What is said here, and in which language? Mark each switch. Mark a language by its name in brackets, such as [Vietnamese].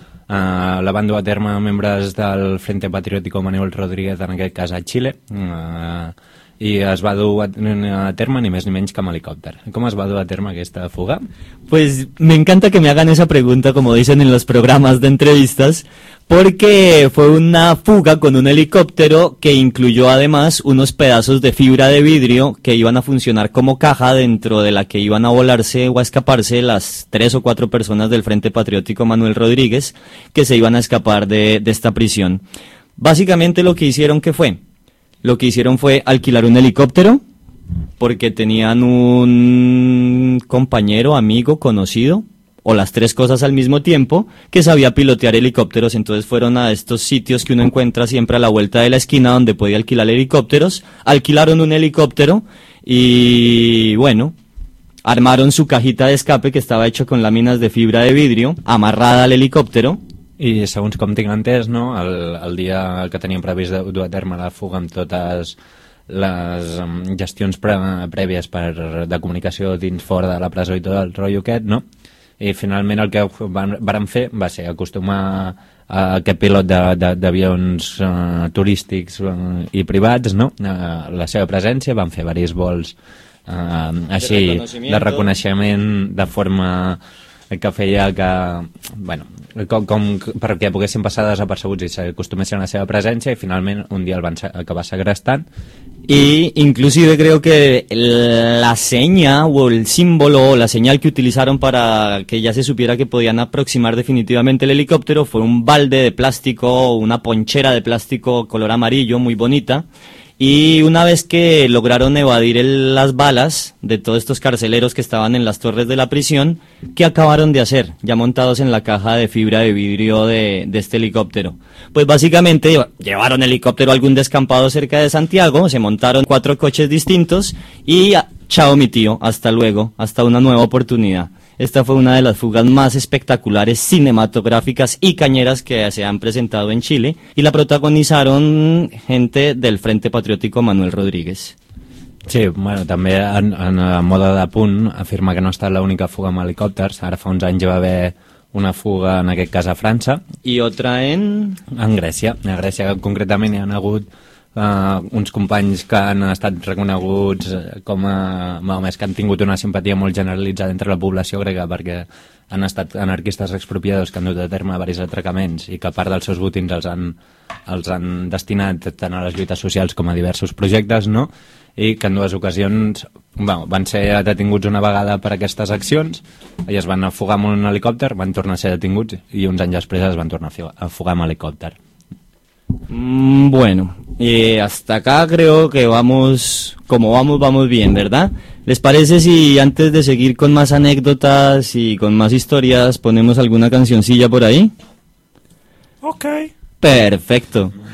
[Catalan] La van dur a terme membres del Frente Patriótico Manuel Rodríguez, en aquest cas a Xile, i es va dur a terme ni més ni menys que amb helicòpter. Com es va dur a terme aquesta fuga? [Spanish] Pues me encanta que me hagan esa pregunta, como dicen en los programas de entrevistas, porque fue una fuga con un helicóptero que incluyó además unos pedazos de fibra de vidrio que iban a funcionar como caja dentro de la que iban a volarse o a escaparse las tres o cuatro personas del Frente Patriótico Manuel Rodríguez que se iban a escapar de esta prisión. Básicamente lo que hicieron, ¿qué fue? Lo que hicieron fue alquilar un helicóptero, porque tenían un compañero, amigo, conocido, o las tres cosas al mismo tiempo, que sabía pilotear helicópteros. Entonces fueron a estos sitios que uno encuentra siempre a la vuelta de la esquina donde podía alquilar helicópteros, alquilaron un helicóptero y, bueno, armaron su cajita de escape que estaba hecho con láminas de fibra de vidrio, amarrada al helicóptero. [Catalan] I segons com tinc entès, no, el dia que teníem previst de dur a terme la fuga amb totes les gestions prèvies de comunicació dins fora de la presó i tot el rotllo aquest, no? I finalment el que vam fer va ser acostumar a aquest pilot d'avions turístics i privats, no? La seva presència, vam fer diversos vols així de reconeixement de forma que feia que, bueno... Com perquè poguessin passar desapercebuts i s'acostumessin a la seva presència, i finalment un dia el van acabar segrestant. [Spanish] I inclusive creo que la seña o el símbolo o la señal que utilizaron para que ya se supiera que podían aproximar definitivamente el helicóptero fue un balde de plástico, una ponchera de plástico color amarillo muy bonita. Y una vez que lograron evadir las balas de todos estos carceleros que estaban en las torres de la prisión, ¿qué acabaron de hacer? Ya montados en la caja de fibra de vidrio de este helicóptero. Pues básicamente llevaron el helicóptero a algún descampado cerca de Santiago, se montaron cuatro coches distintos y chao mi tío, hasta luego, hasta una nueva oportunidad. Esta fue una de las fugas más espectaculares, cinematográficas y cañeras que se han presentado en Chile y la protagonizaron gente del Frente Patriótico Manuel Rodríguez. [Catalan] Sí, bueno, també en moda d'apunt afirma que no ha estat l'única fuga amb helicòpters. Ara fa uns anys hi va haver una fuga en aquest cas a França. [Spanish] I otra en... [Catalan] En Grècia. A Grècia concretament hi han hagut uns companys que han estat reconeguts com a... Només que han tingut una simpatia molt generalitzada entre la població grega perquè han estat anarquistes expropiadors que han dut a terme diversos atracaments i que part dels seus botins els han destinat tant a les lluites socials com a diversos projectes, no? I que en dues ocasions van ser detinguts una vegada per aquestes accions i es van afogar amb un helicòpter, van tornar a ser detinguts i uns anys després es van tornar a afogar amb helicòpter. [Spanish] Bueno, hasta acá creo que vamos, como vamos, vamos bien, ¿verdad? ¿Les parece si antes de seguir con más anécdotas y con más historias ponemos alguna cancioncilla por ahí? Ok. Perfecto.